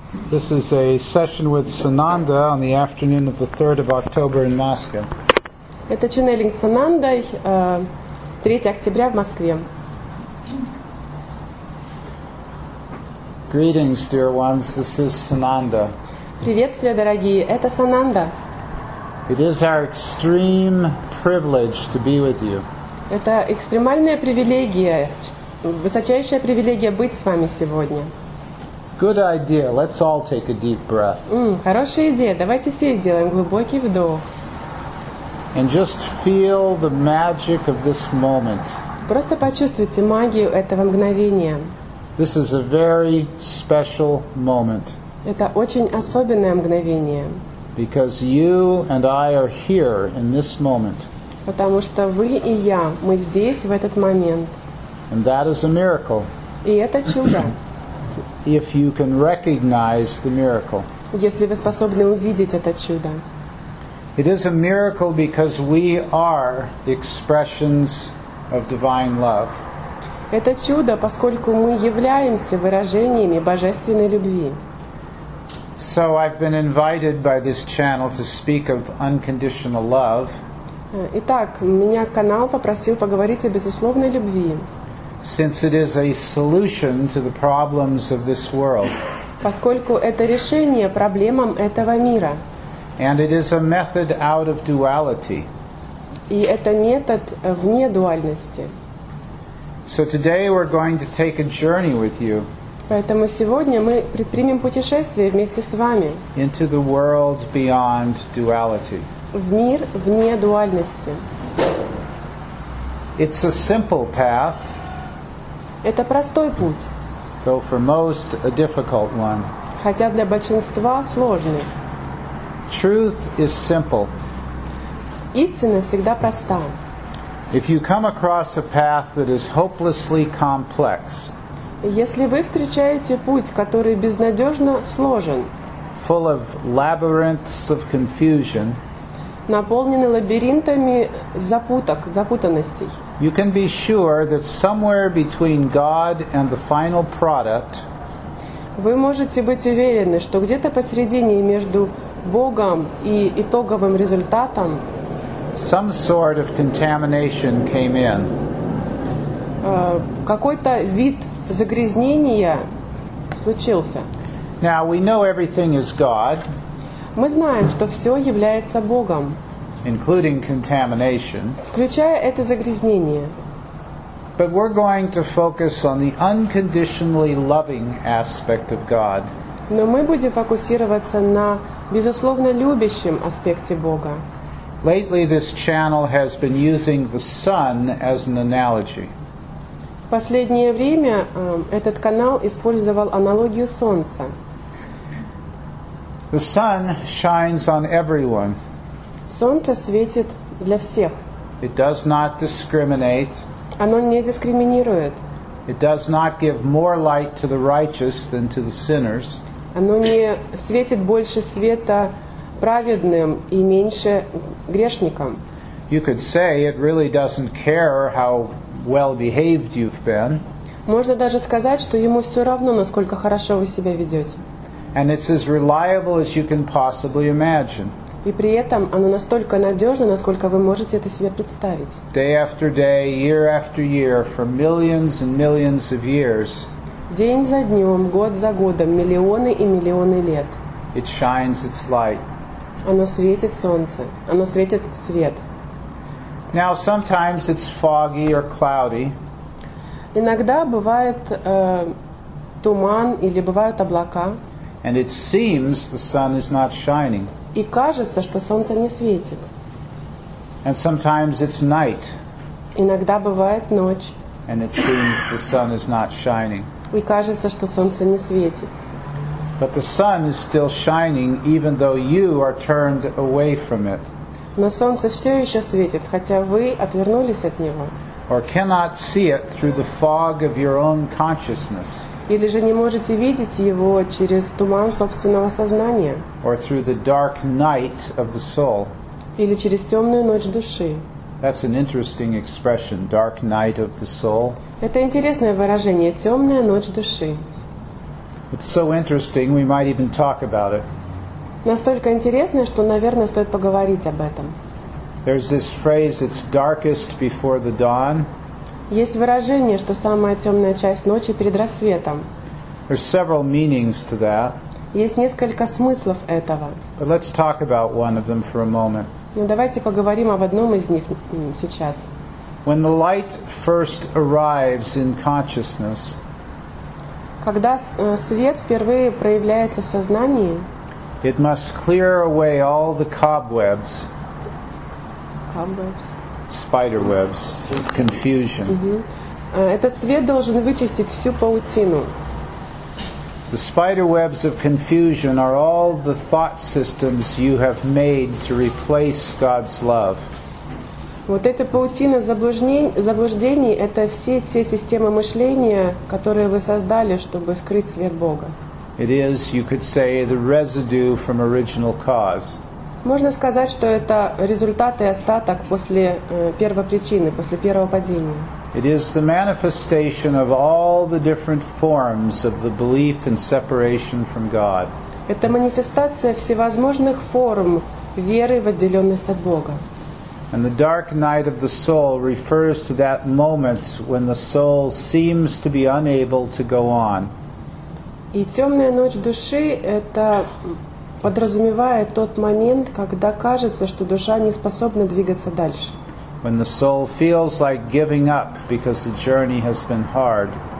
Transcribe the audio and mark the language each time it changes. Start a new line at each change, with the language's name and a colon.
English: This is a session with Sananda on the afternoon of the 3rd of October in Moscow.
Russian: Это ченнелинг с Санандой 3 октября в Москве.
English: Greetings, dear ones. This is Sananda.
Russian: Приветствия, дорогие. Это Сананда.
English: It is our extreme privilege to be with you.
Russian: Это экстремальная привилегия, высочайшая привилегия быть с вами сегодня.
English: Good idea. Let's all take a deep breath.
Russian: Хорошая идея. Давайте все сделаем глубокий вдох.
English: And just feel the magic of this moment.
Russian: Просто почувствуйте магию этого мгновения.
English: This is a very special moment.
Russian: Это очень особенное мгновение.
English: Because you and I are here in this moment.
Russian: Потому что вы и я, мы здесь в этот момент.
English: And that is a miracle.
Russian: И это чудо.
English: If you can recognize the miracle.
Russian: Если вы способны увидеть это чудо.
English: It is a miracle because we are expressions of divine love.
Russian: Это чудо, поскольку мы являемся выражениями божественной любви.
English: So I've been invited by this channel to speak of unconditional love.
Russian: Итак, меня канал попросил поговорить о безусловной любви.
English: Since it is a solution to the problems of this world.
Russian: Поскольку это решение проблемам этого мира.
English: And it is a method out of duality.
Russian: И это метод вне дуальности.
English: So today we're going to take a journey with you.
Russian: Поэтому сегодня мы предпримем путешествие вместе с вами.
English: Into the world beyond duality.
Russian: В мир вне дуальности.
English: It's a simple path.
Russian: Это простой путь.
English: Though for most a difficult one.
Russian: Хотя для большинства сложный.
English: Truth is simple.
Russian: Истина всегда проста.
English: If you come across a path that is hopelessly complex.
Russian: Если вы встречаете путь, который безнадежно сложен.
English: Full of labyrinths of confusion.
Russian: Наполнены лабиринтами запуток, запутанностей.
English: You can be sure that somewhere between God and the final product.
Russian: Вы можете быть уверены, что где-то посередине между Богом и итоговым результатом.
English: Some sort of contamination came in.
Russian: Какой-то вид загрязнения случился.
English: Now we know everything is God.
Russian: Мы знаем, что все является Богом.
English: Including contamination.
Russian: Включая это загрязнение.
English: But we're going to focus on the unconditionally loving aspect of God.
Russian: Но мы будем фокусироваться на безусловно любящем аспекте Бога.
English: Lately this channel has been using the sun as an analogy.
Russian: В последнее время этот канал использовал аналогию солнца.
English: The sun shines on everyone.
Russian: Солнце светит для всех.
English: It does not discriminate.
Russian: Оно не дискриминирует.
English: It does not give more light to the righteous than to the sinners.
Russian: Оно не светит больше света праведным и меньше грешникам.
English: You could say it really doesn't care how well behaved you've been.
Russian: Можно даже сказать, что ему все равно, насколько хорошо вы себя ведете.
English: And it's as reliable as you can possibly imagine.
Russian: И при этом оно настолько надежно, насколько вы можете это себе представить.
English: Day after day, year after year, for millions and millions of years.
Russian: День за днем, год за годом, миллионы и миллионы лет.
English: It shines its light.
Russian: Оно светит солнце, оно светит свет.
English: Now sometimes it's foggy or cloudy.
Russian: Иногда бывает туман или бывают облака.
English: And it seems the sun is not shining.
Russian: И кажется, что солнце не светит.
English: And sometimes it's night.
Russian: Иногда бывает ночь.
English: And it seems the sun is not shining.
Russian: И кажется, что солнце не светит.
English: But the sun is still shining, even though you are turned away from it.
Russian: Но солнце все еще светит, хотя вы отвернулись от него.
English: Or cannot see it through the fog of your own consciousness.
Russian: Или же не можете видеть его через туман собственного сознания.
English: Or through the dark night of the soul.
Russian: Или через темную ночь души.
English: That's an interesting expression, dark night of the soul.
Russian: Это интересное выражение, темная ночь души.
English: It's so interesting, we might even talk about it.
Russian: Настолько интересно, что, наверное, стоит поговорить об этом.
English: There's this phrase, it's darkest before the dawn.
Russian: Есть выражение, что самая темная часть ночи перед рассветом.
English: There's several meanings to that.
Russian: Есть несколько смыслов этого.
English: But let's talk about one of them for a moment.
Russian: Ну, давайте поговорим об одном из них сейчас.
English: When the light first arrives in consciousness,
Russian: когда свет впервые проявляется в сознании,
English: it must clear away all the cobwebs. Cobwebs. Spider webs. Confusion.
Russian: Этот свет должен вычистить всю паутину.
English: The spider webs of confusion are all the thought systems you have made to replace God's love.
Russian: Вот эта паутина заблуждений – это все те системы мышления, которые вы создали, чтобы скрыть свет Бога.
English: It is, you could say, the residue from original cause.
Russian: Можно сказать, что это результат и остаток после первопричины, после первого падения.
English: It is the manifestation of all the different forms of the belief in separation from God.
Russian: Это манифестация всевозможных форм веры в отделенность от Бога.
English: And the dark night of the soul refers to that moment when the soul seems to be unable to go on.
Russian: И темная ночь души это подразумевает тот момент, когда кажется, что душа не способна двигаться дальше.
English: When the soul feels like giving up because the journey has been hard.